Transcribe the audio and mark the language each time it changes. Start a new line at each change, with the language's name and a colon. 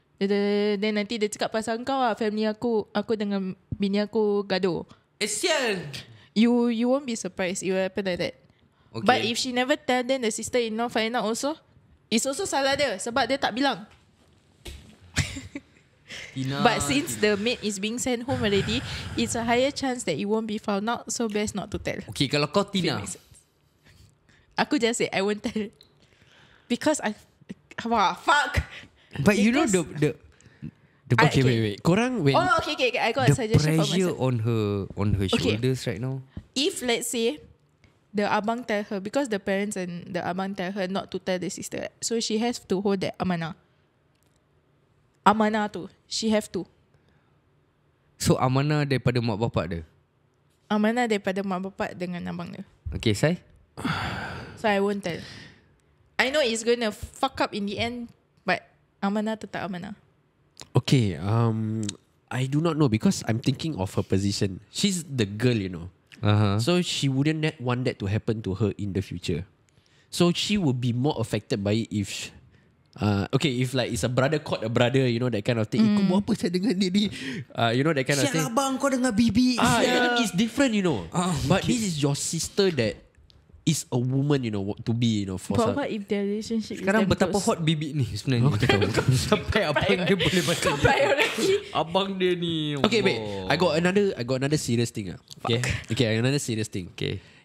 Malay: Then nanti dia cakap pasal kau lah, family aku, aku dengan bini aku gaduh. Eh, sial.
English: You won't be surprised. It will happen like that. Okay. But if she never tell, then the sister-in-law find out also.
Malay: It's also salah dia sebab dia tak bilang. Tina.
English: But since the maid is being sent home already, it's a higher chance that it won't be found out. So best not to tell.
Malay: Okay, kalau kau Tina.
English: Aku just say, I won't tell. Because I... Wah, fuck. But you know the okay, okay. Wait. Korang wait. Oh okay. I got the a suggestion pressure for myself. On her shoulders okay. Right now. If let's say the abang tell her, because the parents and the abang tell her not to tell the sister, so she has to hold that amanah tu. She have to.
Malay: So amanah daripada mak bapak dia. Amanah daripada mak bapak dengan abang dia.
English: Okay, say. So I won't tell. I know it's gonna fuck up in the end.
Malay: Amanah atau tak amanah?
English: Okay. I do not know because I'm thinking of her position. She's the girl, you know. Uh-huh. So she wouldn't want that to happen to her in the future. So she would be more affected by it if... if like it's a brother caught a brother, you know, that kind of thing.
Malay: Kau buat apa saya dengan dia ni?
English: You know, that kind of thing.
Malay: Siapa abang kau dengan bibi?
English: Yeah. It's different, you know. But this is your sister that... is a woman, you know, to be, you know, for but what if their relationship
Malay: sekarang
English: is
Malay: betapa hot bibi ni sebenarnya. Sampai abang dia boleh macam abang dia ni.
English: Okay, wait. I got another serious thing. Okay, another serious thing. Okay.